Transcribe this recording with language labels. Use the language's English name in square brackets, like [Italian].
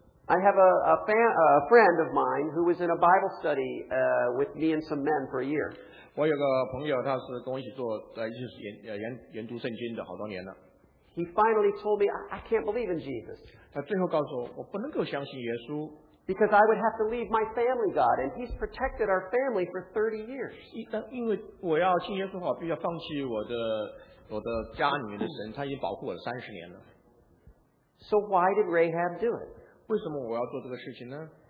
[English] I have a friend of mine who was in a Bible study with me and some men for a year. [Chinese] 我有个朋友，他是跟我一起做研读圣经的好多年了。 [English] He finally told me, I can't believe in Jesus. [Chinese] 他最后告诉我，我不能够相信耶稣。 [English] Because I would have to leave my family God, and He's protected our family for 30 years. [Chinese] 因为我要信耶稣的话，必须要放弃我的家里面的神，他已经保护我30年了。 [English] So why did Rahab do it? [Chinese] 为什么我要做这个事情呢？